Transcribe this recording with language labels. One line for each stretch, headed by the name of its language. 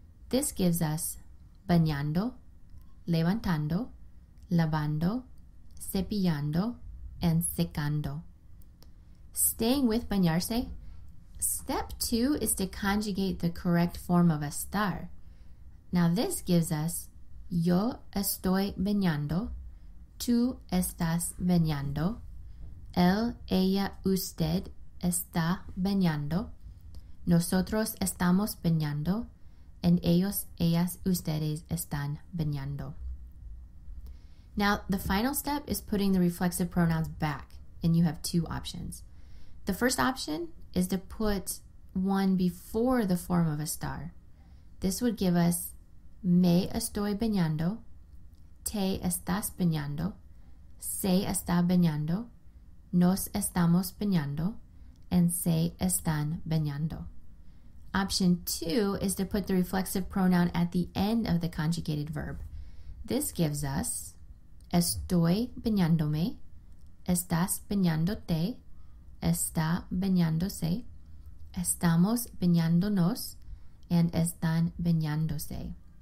English: This gives us
Spanish: bañando, levantando, lavando, cepillando, and secando.
English: Staying with bañarse, step 2 is to conjugate the correct form of estar. Now this gives us
Spanish: yo estoy bañando, tú estás bañando, él, ella, usted está bañando, nosotros estamos bañando, and ellos, ellas, ustedes están bañando.
English: Now, the final step is putting the reflexive pronouns back, and you have two options. The first option is to put one before the form of estar. This would give us
Spanish: me estoy bañando, te estás bañando, se está bañando, nos estamos bañando, and se están bañando.
English: Option 2 is to put the reflexive pronoun at the end of the conjugated verb. This gives us
Spanish: estoy bañándome, estás bañándote, está bañándose, estamos bañándonos, and están bañándose.